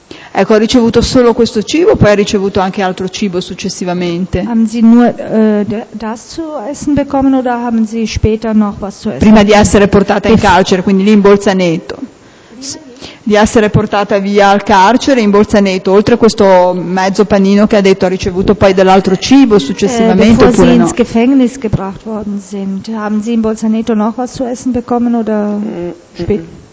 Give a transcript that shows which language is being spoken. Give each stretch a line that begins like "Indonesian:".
Italian: Ecco, ha ricevuto solo questo cibo, poi ha ricevuto anche altro cibo successivamente.
German: Haben Sie nur das zu essen bekommen oder haben Sie später noch was zu essen?
Italian: Prima di essere portata in carcere, quindi lì in Bolzaneto. Di essere portata via al carcere in Bolzaneto, oltre a questo mezzo panino che ha detto, ha ricevuto poi dell'altro cibo successivamente no?
German: Bevor Sie ins Gefängnis gebracht worden sind, haben Sie in Bolzaneto noch was zu essen bekommen oder später?